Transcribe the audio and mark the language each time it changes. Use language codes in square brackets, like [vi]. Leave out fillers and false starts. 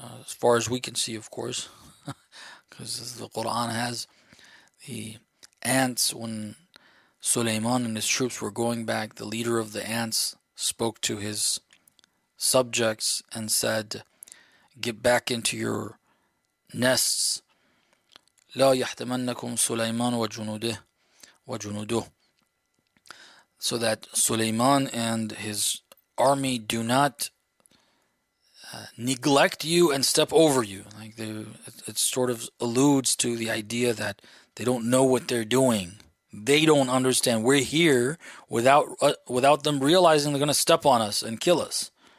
[en] As far as we can see, of course, because the Quran has the ants. When Sulaiman and his troops were going back, the leader of the ants spoke to his subjects and said, "Get back into your nests." [ar] لا يحتمنكم سليمان وجنوده. [en] So that Sulaiman and his army do not neglect you and step over you. Like it sort of alludes to the idea that they don't know what they're doing. They don't understand. We're here without them realizing they're going to step on us and kill us.